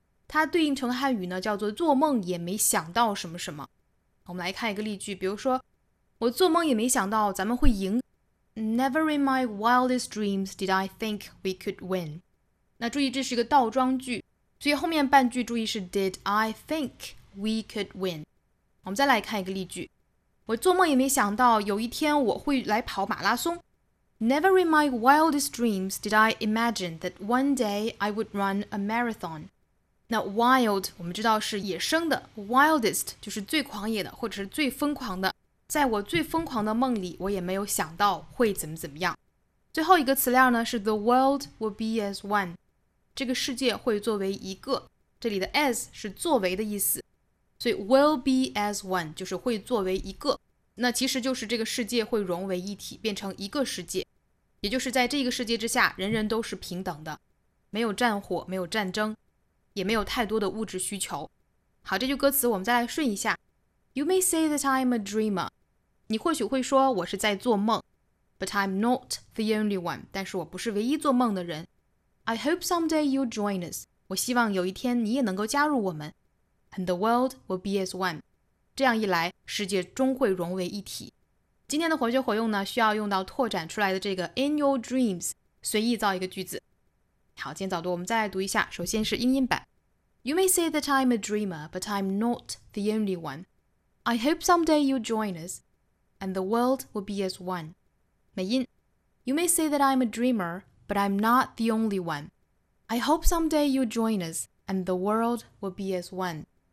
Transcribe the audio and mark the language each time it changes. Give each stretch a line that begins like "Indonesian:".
Chinese: 它对应成汉语呢叫做做梦也没想到什么什么。我们来看一个例句，比如说我做梦也没想到咱们会赢。
English: Never in my wildest dreams did I think we could win.
Chinese: 那注意这是一个倒装句，所以后面半句注意是
English: did I think we could win。
Chinese: 我们再来看一个例句，我做梦也没想到有一天我会来跑马拉松。
English: Never in my wildest dreams did I imagine that one day I would run a marathon.
Chinese: 那 wild 我们知道是野生的， wildest 就是最狂野的或者是最疯狂的，在我最疯狂的梦里我也没有想到会怎么怎么样。最后一个词料呢是
English: the world will be as one，
Chinese: 这个世界会作为一个，这里的 as 是作为的意思，所以
English: will be as one
Chinese: 就是会作为一个，那其实就是这个世界会融为一体变成一个世界，也就是在这个世界之下人人都是平等的，没有战火，没有战争，也没有太多的物质需求。好，这句歌词我们再来顺一下。
English: You may say that I'm a dreamer，
Chinese: 你或许会说我是在做梦。
English: But I'm not the only one，
Chinese: 但是我不是唯一做梦的人。
English: I hope someday you'll join us，
Chinese: 我希望有一天你也能够加入我们。
English: And the world will be as one，
Chinese: 这样一来世界终会融为一体。今天的活学活用呢需要用到拓展出来的这个
English: in your dreams，
Chinese: 随意造一个句子。好，今天早读我们再来读一下，首先是英音版。
English: You may say that I'm a dreamer but I'm not the only one. I hope someday you'll join us and the world will be as one.
Chinese: 美音。
English: You may say that I'm a dreamer but I'm not the only one. I hope someday you'll join us and the world will be as one.